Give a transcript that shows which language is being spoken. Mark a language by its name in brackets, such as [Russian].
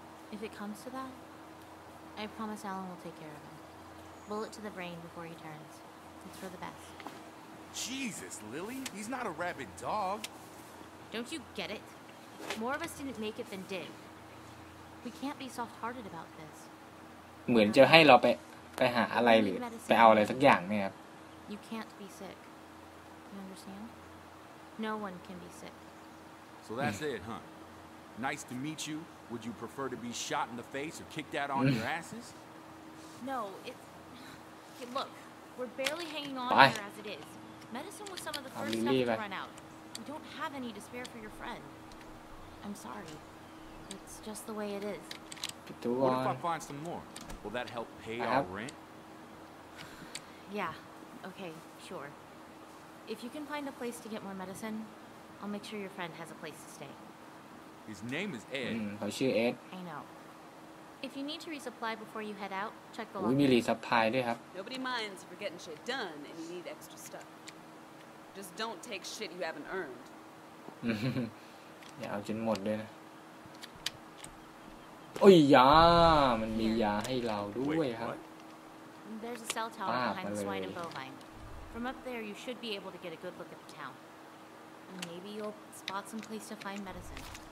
[English] If it comes to that, I promise Alan will take care of him. Bullet to the brain before he turns. It's for the best. Jesus, Lily, he's not a rabid dog. Don't you get it? More of us didn't make it than did. We can't be soft-hearted about this. [Thai] เหมือนจะให้เราไปหาอะไรหรือไปเอาอะไรสักอย่างเนี่ยครับ [English] You can't be sick. You understand? No one can be sick. So that's it, huh? Nice to meet you. Would you prefer to be shot in the face or kicked out on your asses? No, it's... Hey, look, we're barely hanging on here as it is. Medicine was some of the first stuff to run out. We don't have any to spare for your friend. I'm sorry. It's just the way it is. What if I find some more? Will that help pay our rent? Yeah. Okay, sure. If you can find a place to get more medicine, I'll make sure your friend has a place to stay. His name is Ed. I know. If you need to resupply before you head out, check the locker. [Thai] Resupply ด้วยครับ [English] Nobody minds if we're getting shit done and you need extra stuff. Just don't take shit you haven't earned. [Thai] อย่าเอาจนหมดด้วยนะโอ้ยยามันมียาให้เราด้วยครับ [English] There's a cell tower behind the swine and bovine. From up there you should be able to get a good look at the town. And maybe you'll spot some place to find medicine.